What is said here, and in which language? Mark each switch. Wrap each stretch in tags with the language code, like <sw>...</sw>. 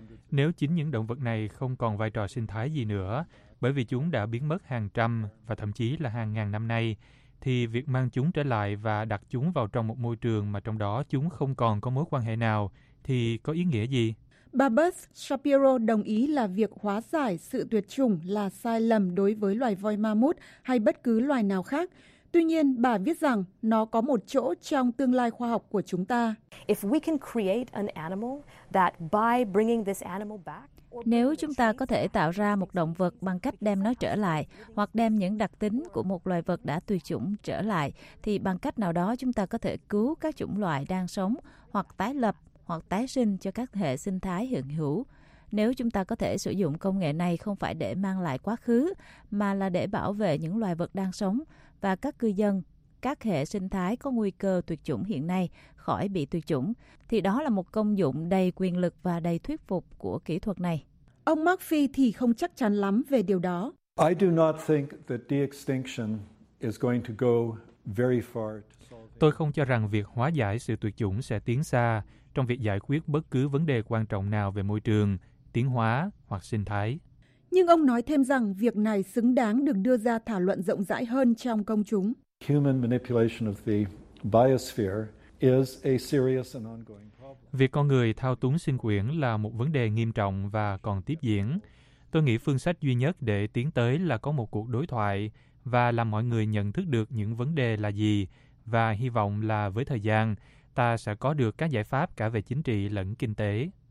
<vi>Nếu chính những động vật này không còn vai trò sinh thái gì nữa, bởi vì chúng đã biến mất hàng trăm và thậm chí là hàng ngàn năm nay, thì việc mang chúng trở lại và đặt chúng vào trong một môi trường mà trong đó chúng không còn có mối quan hệ nào thì có ý nghĩa gì? Bà Beth Shapiro đồng ý là việc hóa giải sự tuyệt chủng là sai lầm đối với loài voi mammoth hay bất cứ loài nào khác. Tuy nhiên, bà viết rằng nó có một chỗ trong tương lai khoa học của chúng ta.</vi> <en>If we can create an animal that by bringing this animal back,</en> <vi>nếu chúng ta có thể tạo ra một động vật bằng cách đem nó trở lại hoặc đem những đặc tính của một loài vật đã tuyệt chủng trở lại, thì bằng cách nào đó chúng ta có thể cứu các chủng loại đang sống hoặc tái lập hoặc tái sinh cho các hệ sinh thái hiện hữu. Nếu chúng ta có thể sử dụng công nghệ này không phải để mang lại quá khứ, mà là để bảo vệ những loài vật đang sống và các cư dân, các hệ sinh thái có nguy cơ tuyệt chủng hiện nay khỏi bị tuyệt chủng, thì đó là một công dụng đầy quyền lực và đầy thuyết phục của kỹ thuật này. Ông McPhee thì không chắc chắn lắm về điều đó.</vi> <en>I do not think that de-extinction is going to go very far.</en> <vi>Tôi không cho rằng việc hóa giải sự tuyệt chủng sẽ tiến xa trong việc giải quyết bất cứ vấn đề quan trọng nào về môi trường, tiến hóa hoặc sinh thái. Nhưng ông nói thêm rằng việc này xứng đáng được đưa ra thảo luận rộng rãi hơn trong công chúng.</vi> <en>Human manipulation of the biosphere is a serious and ongoing problem.</en> <vi>Việc con người thao túng sinh quyển là một vấn đề nghiêm trọng và còn tiếp diễn. Tôi nghĩ phương sách duy nhất để tiến tới là có một cuộc đối thoại và làm mọi người nhận thức được những vấn đề là gì, và hy vọng là với thời gian, ta sẽ có được các giải pháp cả về chính trị lẫn kinh tế.</vi>